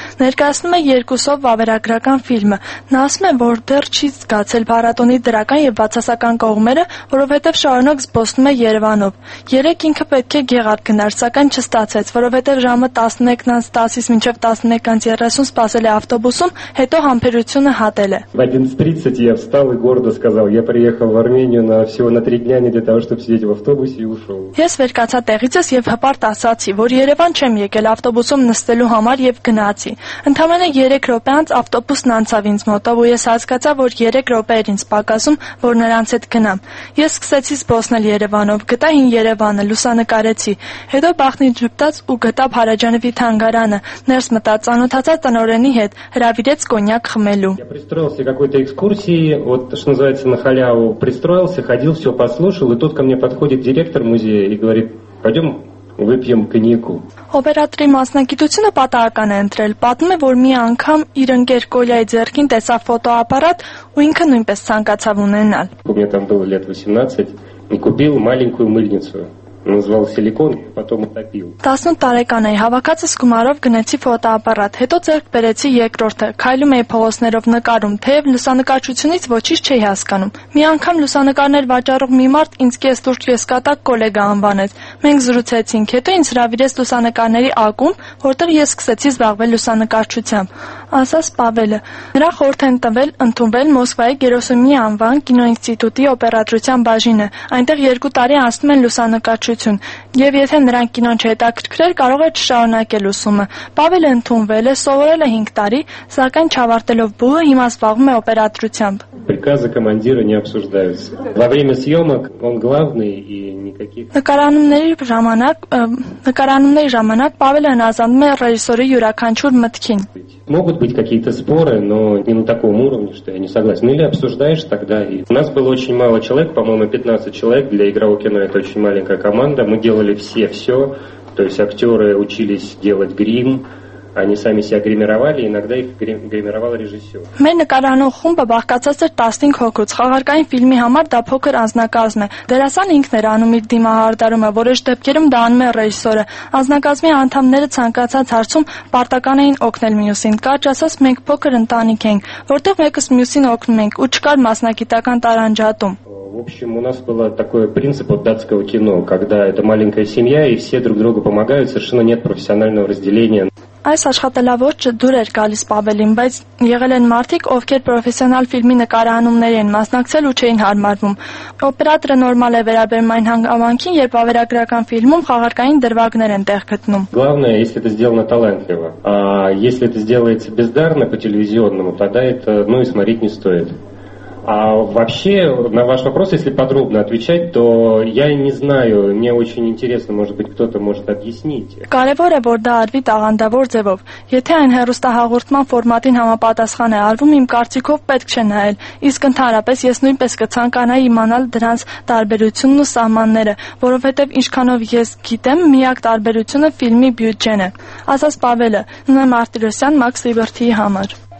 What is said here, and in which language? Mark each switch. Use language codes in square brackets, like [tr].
[hy] Ներկայացնում է երկուսով վավերագրական ֆիլմը։ Նա ասում է, որ դեռ չի զգացել փառատոնի դրական և բացասական կողմերը, որովհետև շարունակ զբոսնում է Երևանով։ Երեկ ինքը պետք է գեղար գնար, սակայն չստացեց, որովհետև ժամը 11:10-ից մինչև 11:30 սպասել է ավտոբուսում, հետո համբերություն [ru] Отеле. В 11:30 я встал и гордо сказал: «Я приехал в Армению на всего на 3 дня не для того, чтобы сидеть в автобусе и ушёл». [hy] Ես վերկացա տեղիցս եւ հպարտ ասացի, որ Երևան չեմ եկել ավտոբուսում նստելու համար եւ գնացի։ Ընդամենը 3 րոպե անց ավտոբուսն անցավ ինձ մոտով ու ես հասկացա, որ 3 րոպե էր ինձ պակասում, որ նրանց հետ գնամ։ Ես սկսեցի զբոսնել Երևանով, գտա հին Երևանը, լուսանկարեցի։ Հետո բախտին ճպտաց ու գտա Փարաջանովի թանգարանը, ներս մտա ցանոթացա տնորենի հետ, հրավիրեց կոնյակ խմելու։ [ru] Я пристроился к какой-то экскурсии, вот что называется, на халяву пристроился, ходил, все послушал, и тут ко мне подходит директор музея и говорит: «Пойдем выпьем коньяку». [hy] Օպերատորի մասնակցությունը պատահական է ընտրել, պատմում է, որ մի անգամ իր ընկեր Կոլյայի ձեռքին տեսավ ֆոտոապարատ ու ինքը նույնպես ցանկացավ ունենալ։ [ru] У меня там было лет 18, и купил маленькую мыльницу. Назвал силикон, потом утопил. [hy] 18 տարեկան էի, հավաքածս գումարով գնացի ֆոտոապարատ, հետո ձեռք բերեցի երկրորդը, քայլում էի փողոցներով նկարում, թեև լուսանկարչությունից ոչինչ չէի հասկանում։ Մի անգամ լուսանկարներ վաճառող մի մարդ ինձ կես տուրք ես կատակ գոլեգա անվանեց։ Մենք զրուցեցինք, հետո ինձ հրավիրեց լուսանկարների ակում, որտեղ ես սկսեցի զբաղվել լուսանկարչությամբ։ Ասաս Պավելը, նրա խորհուրդ են տվել ընդունվել Մոսկվայի Գերոսումի անվան կինոինստիտուտի օպերատրության բաժինը, այնտեղ 2 տարի անցնում են լուսանկարչություն, և եթե նրան կինոն չհետաքրքրեր, կարող էր չշարունակել ուսումը։ Պավելը ընդունվել է, սովորել է 5 տարի, սակայն չավարտելով բուհը հիմա զբաղվում է օպերատրությամբ։ [ru] Приказы командира не обсуждаются. Во время съемок он главный и никаких... [hy] Նկարանումների ժամանակ Պավելը հնազանդում է ռեժիսորի յուրաքանչյուր մտքին։ [ru] Могут быть какие-то споры, но не на таком уровне, что я не согласен. Или обсуждаешь тогда. И у нас было очень мало человек, по-моему, 15 человек. Для игрового кино это очень маленькая команда. Мы делали все-все. То есть актеры учились делать грим. Они сами себя гримировали, иногда их гримировал режиссер. [hy] Մեր նկարանող խումբը բաղկացած էր 15 հոգուց, խաղարկային ֆիլմի համար դա փոքր անձնակազմ է։ Դերասան ինքն էր անում իր դիմահարդարումը, որոշ դեպքերում դա անում է ռեժիսորը։ Անձնակազմի անդամները ցանկացած հարցում պարտական էին օգնել մյուսին, կարճ ասած մենք փոքր ընտանիք ենք, որտեղ մեկս մյուսին օգնում ենք ու չկար մասնակիտական տարանջատում։ [ru] В общем, у нас было такое принцип от датского кино, когда это маленькая семья и все друг другу помогают, совершенно нет профессионального разделения. [hy] Այս աշխատելավորը դուր էր գալիս Պավելին, բայց եղել են մարդիկ, ովքեր պրոֆեսիոնալ ֆիլմի նկարահանումների են մասնակցել ու չէին հարմարվում։ Օպերատորը նորմալ է վերաբերվում այն հանգամանքին, երբ ավերագրական ֆիլմում խաղարկային դրվագներ են տեղ գտնում։ [ru] Главное, если это сделано талантливо. А если это сделается бездарно по телевизионному, тогда это, ну, и смотреть не стоит. А вообще, на ваш вопрос, если подробно отвечать, то я не знаю, мне очень интересно, может быть, кто-то может объяснить. [hy] Կարևոր է, որ դա արվի տաղանդավոր ձևով, եթե այն հեռուստահաղորդման ֆորմատին համապատասխան է արվում, իմ կարծիքով պետք չէ նայել, իսկ ընդհանրապես ես նույնպես կցանկանայի իմանալ դրանց տարբերությունն ու սահմանները, որովհետև ինչքանով ես գիտեմ, միակ տարբերությունը ֆիլմի բյուջեն է, ասաց Պավելը, Նա Մարտիրոսյան, Մաքս Լիբերտիի համար.